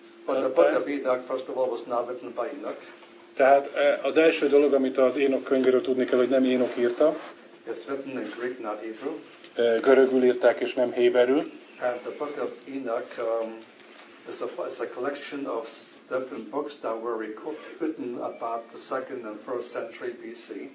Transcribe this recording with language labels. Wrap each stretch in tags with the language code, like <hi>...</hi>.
<en>But the Book of Enoch first of all was not written by Enoch.</en> <hu>Tehát az első dolog, amit az Enoch könyvéről tudni kell, hogy nem Enoch írta.</hu> <en>It's written in Greek, not Hebrew.</en> <hu>Görögül írták és nem héberül.</hu> <en>And the Book of Enoch is a collection of different books that were written about the second and first century BC.</en>